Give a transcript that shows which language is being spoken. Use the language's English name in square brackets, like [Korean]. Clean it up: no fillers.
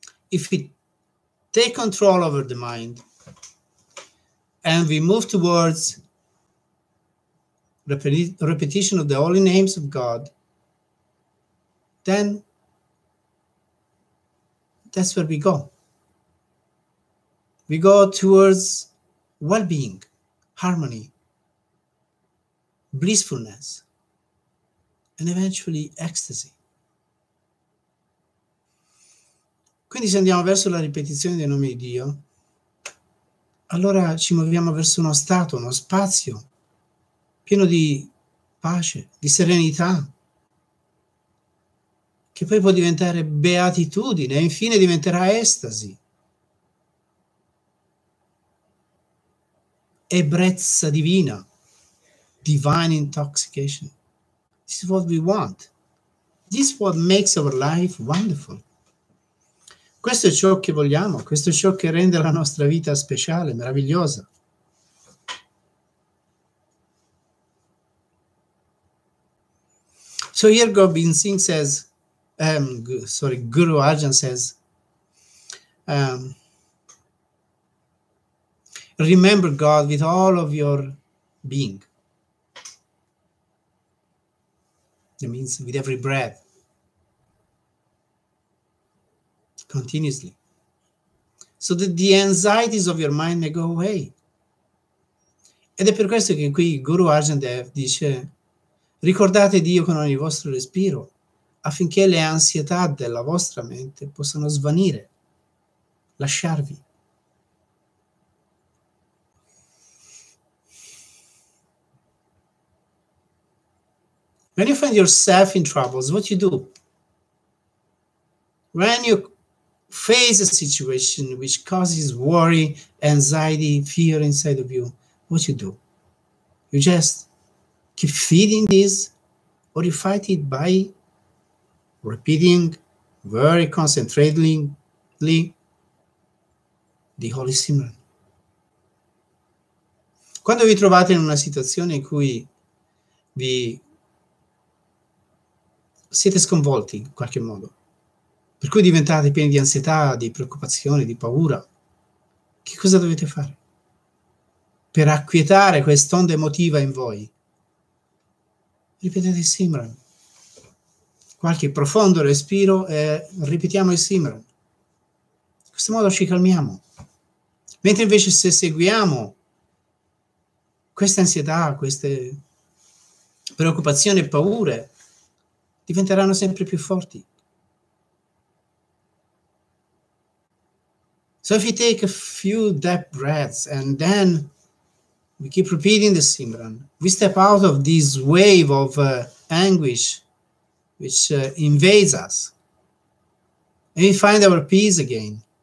[English] If we take control over the mind and we move towards repetition of the holy names of God, then that's where we go. We go towards well-being, harmony, blissfulness, and eventually ecstasy. [Italian] Quindi se andiamo verso la ripetizione dei nomi di Dio, allora ci muoviamo verso uno stato, uno spazio pieno di pace, di serenità, che poi può diventare beatitudine e infine diventerà estasi, ebbrezza divina, [English] divine intoxication. This is what we want. This is what makes our life wonderful. [Italian] Questo è ciò che vogliamo, questo è ciò che rende la nostra vita speciale, meravigliosa. [English] So here Gobind Singh says, Guru Arjan says, remember God with all of your being. That means with every breath. Continuously. So that the anxieties of your mind may go away. [Italian] Ed è per questo che qui Guru Arjan Dev dice: ricordate Dio con ogni vostro respiro, affinché le ansietà della vostra mente possano svanire, lasciarvi. [English] When you find yourself in troubles, what you do? When you face a situation which causes worry, anxiety, fear inside of you, what you do? You just keep feeding this, or you fight it by repeating very concentratedly the Holy Simran. [Italian] Quando vi trovate in una situazione in cui vi siete sconvolti in qualche modo, per cui diventate pieni di ansietà, di preoccupazione, di paura, che cosa dovete fare? Per acquietare quest'onda emotiva in voi, ripetete il Simran. Qualche profondo respiro e ripetiamo il Simran. In questo modo ci calmiamo. Mentre invece se seguiamo questa ansietà, queste preoccupazioni e paure, diventeranno sempre più forti. [English] So if you take a few deep breaths and then we keep repeating the Simran, we step out of this wave of anguish which invades us, and we find our peace again.